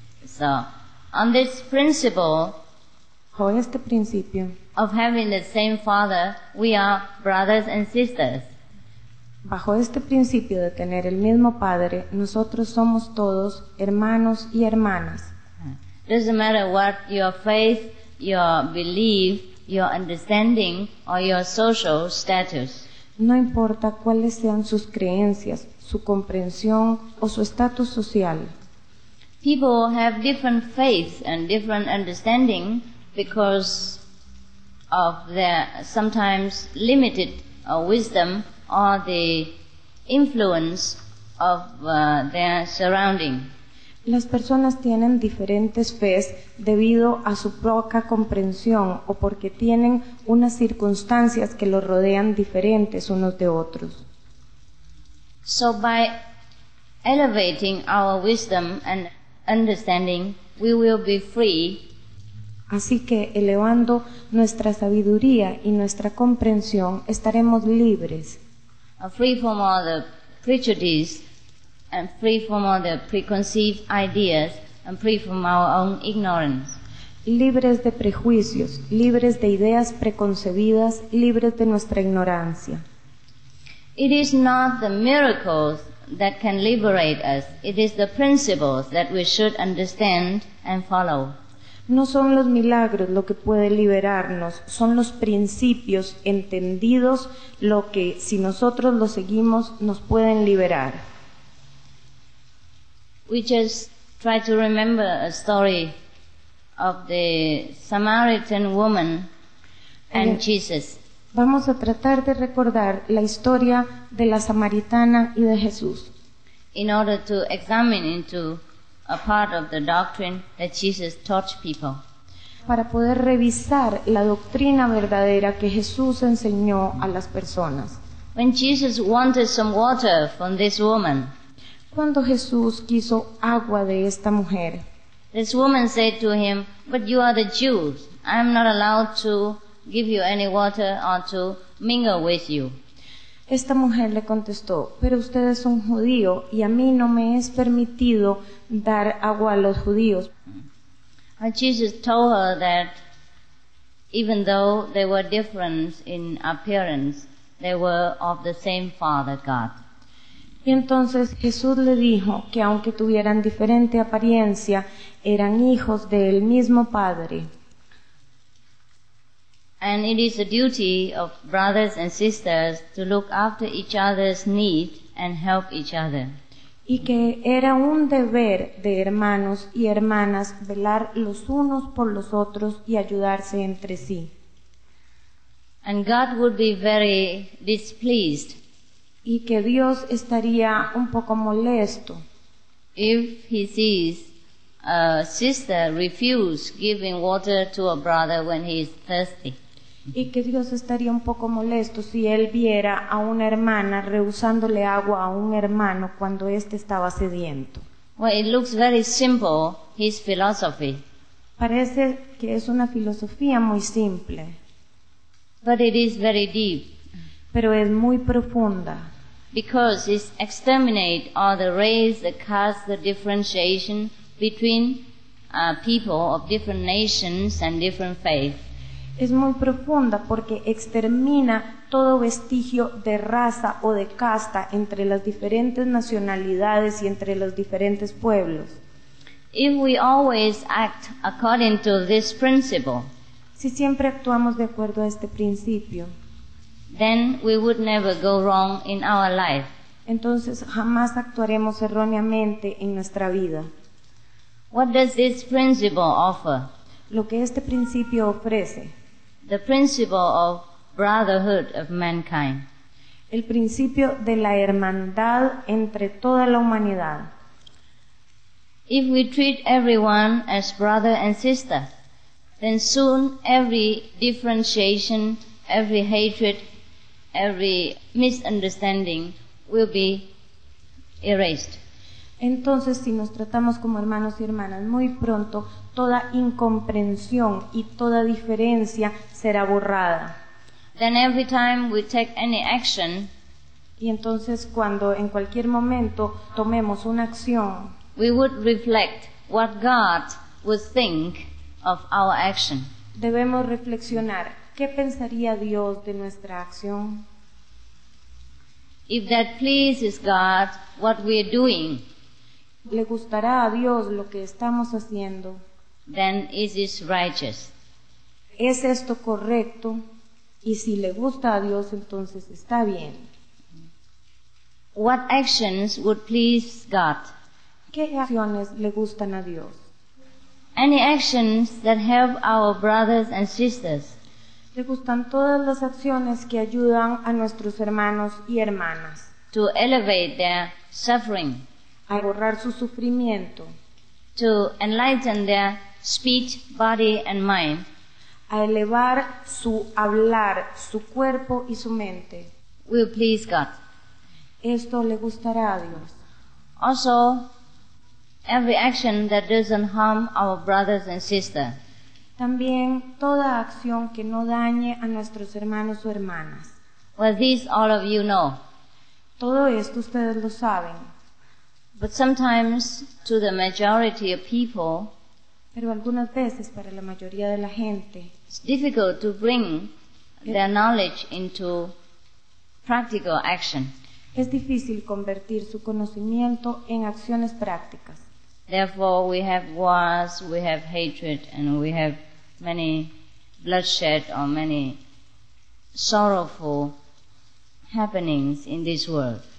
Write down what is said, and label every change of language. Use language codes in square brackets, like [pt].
[en] So, on this principle. [es] Por este principio. [en] Of having the same father, we are brothers and sisters. [es] Bajo este principio de tener el mismo padre, nosotros somos todos hermanos y hermanas. [en] Doesn't matter what your faith, your belief, your understanding, or your social status. [es] No importa cuáles sean sus creencias, su comprensión o su estatus social. [en] People have different faith and different understanding because of their sometimes limited wisdom. Or the influence of their surrounding. [es] Las personas tienen diferentes fees debido a su poca comprensión o porque tienen unas circunstancias que los rodean diferentes unos de otros. [en] So by elevating our wisdom and understanding, we will be free. [es] Así que elevando nuestra sabiduría y nuestra comprensión, estaremos libres. [en] Free from all the prejudices, and free from all the preconceived ideas, and free from our own ignorance. [es] libres de prejuicios, libres de ideas preconcebidas, libres de nuestra ignorancia. [en] It is not the miracles that can liberate us. It is the principles that we should understand and follow. [es] No son los milagros lo que puede liberarnos, son los principios entendidos lo que, si nosotros los seguimos, nos pueden liberar. [en] We just try to remember a story of the Samaritan woman and Jesus. [es] Vamos a tratar de recordar la historia de la samaritana y de Jesús. [en] In order to examine into a part of the doctrine that Jesus taught people. [es] Para poder revisar la doctrina verdadera que Jesús enseñó a las personas. [en] When Jesus wanted some water from this woman. [es] Cuando Jesús quiso agua de esta mujer. [en] This woman said to him, "But you are the Jews. I am not allowed to give you any water or to mingle with you." [es] Esta mujer le contestó, "Pero usted es un judío y a mí no me es permitido dar agua a los judíos." [en] And Jesus told her that even though they were different in appearance, they were of the same Father God. [es] Y entonces Jesús le dijo que aunque tuvieran diferente apariencia, eran hijos del mismo Padre. [en] And it is the duty of brothers and sisters to look after each other's need and help each other. [es] Y que era un deber de hermanos y hermanas velar los unos por los otros y ayudarse entre sí. [en] And God would be very displeased. [es] Y que Dios estaría un poco molesto. [en] If he sees a sister refuse giving water to a brother when he is thirsty. [es] Y que Dios estaría un poco molesto si él viera a una hermana rehusándole agua a un hermano cuando éste estaba sediento. [en] Well, it looks very simple, his philosophy. [es] Parece que es una filosofía muy simple. [en] But it is very deep. [es] Pero es muy profunda. [en] Because it's exterminate all the race, the caste, the differentiation between people of different nations and different faiths. [es] Es muy profunda porque extermina todo vestigio de raza o de casta entre las diferentes nacionalidades y entre los diferentes pueblos. [en] If we always act according to this principle, [es] si siempre actuamos de acuerdo a este principio, [en] then we would never go wrong in our life. [es] Entonces jamás actuaremos erróneamente en nuestra vida. [en] What does this principle offer? [es] Lo que este principio ofrece. [en] The principle of brotherhood of mankind. [es] El principio de la hermandad entre toda la humanidad. [en] If we treat everyone as brother and sister, then soon every differentiation, every hatred, every misunderstanding will be erased. [es] Entonces, si nos tratamos como hermanos y hermanas, muy pronto toda incomprensión y toda diferencia será borrada. [en] Then every time we take any action, [es] y entonces cuando en cualquier momento tomemos una acción, [en] we would reflect what God would think of our action. [es] Debemos reflexionar, ¿qué pensaría Dios de nuestra acción? [en] If that pleases God, what we are doing, [es] le gustará a Dios lo que estamos haciendo. [en] Then is it righteous? [es] ¿Es esto correcto? Y si le gusta a Dios, entonces está bien. [en] What actions would please God? [es] ¿Qué acciones le gustan a Dios? [en] Any actions that help our brothers and sisters? [es] ¿Le gustan todas las acciones que ayudan a nuestros hermanos y hermanas? [en] To elevate their suffering. [es] A borrar su sufrimiento. [en] To enlighten their speech, body and mind. [es] A elevar su hablar, su cuerpo y su mente. [en] Will please God. [es] Esto le gustará a Dios. [en] Also, every action that doesn't harm our brothers and sisters. [es] También toda acción que no dañe a nuestros hermanos o hermanas. [en] Well, this all of you know. [es] Todo esto ustedes lo saben. [en] But sometimes, to the majority of people, [es] Pero algunas veces para la mayoría de la gente. [en] It's difficult to bring their knowledge into practical action. [es] Es difícil convertir su conocimiento en acciones prácticas. [en] Therefore, we have wars, we have hatred, and we have many bloodshed or many sorrowful happenings in this world.